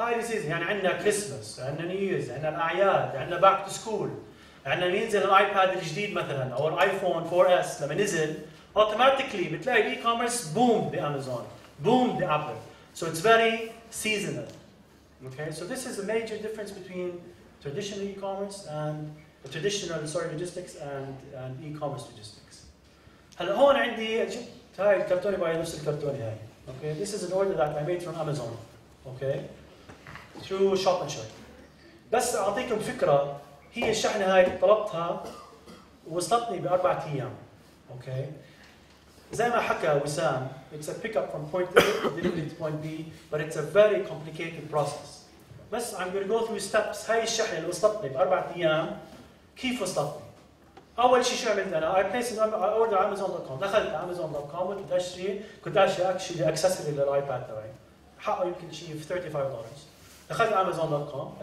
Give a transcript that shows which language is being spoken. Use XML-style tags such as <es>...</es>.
<ar>يعني عندنا كريسماس عندنا نيوز عندنا الاعياد عندنا</ar> <en>back to school عندنا بينزل الايباد الجديد مثلا او الايفون 4S</en> <ar>لما نزل</ar> <en>Automatically بتلاقي الاي كوميرس بوم بامازون بوم بابل so it's very seasonal okay so this is a major difference between traditional e commerce and The traditional sorry logistics and e-commerce logistics.</en> <ar>هلا هون عندي جبت هاي الكرتونة باي نفس الكرتونة هاي.</ar> <en>Okay, this is an order that I made from Amazon. Okay, through Shopmanship.</en> <ar>بس أعطيكم فكرة هي الشحنة هاي طلبتها وصلتني بأربعة أيام.</ar> <en>Okay,</en> <ar>زي ما حكى وسام</ar> <en>it's a pickup from point A to delivery to point B, but it's a very complicated process. بس I'm going to go through steps.</en> <ar>هاي الشحنة اللي وصلتني بأربعة أيام. كيف وصلتني؟ أول شيء شو عملت أنا؟</ar> <en>I placed an order on Amazon.com.</en> <ar>دخلت Amazon.com وكنت أشتري كنت أشتري actually accessory للآيباد تبعي. حقه يمكن شيء في $35. دخلت Amazon.com.</ar>